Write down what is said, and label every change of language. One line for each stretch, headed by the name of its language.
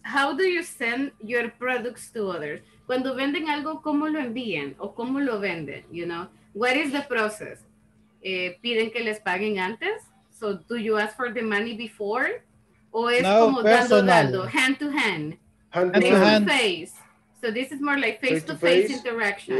English: How do you send your products to others?
Spanish: Cuando venden algo, ¿cómo lo envían? ¿O cómo lo venden?
English: You know, what is the process?
Spanish: ¿Piden que les paguen antes?
English: So do you ask for the money before?
Spanish: ¿O es no, como dando,
English: hand to hand? Hand to hand. Face. So this is more like face-to-face interaction.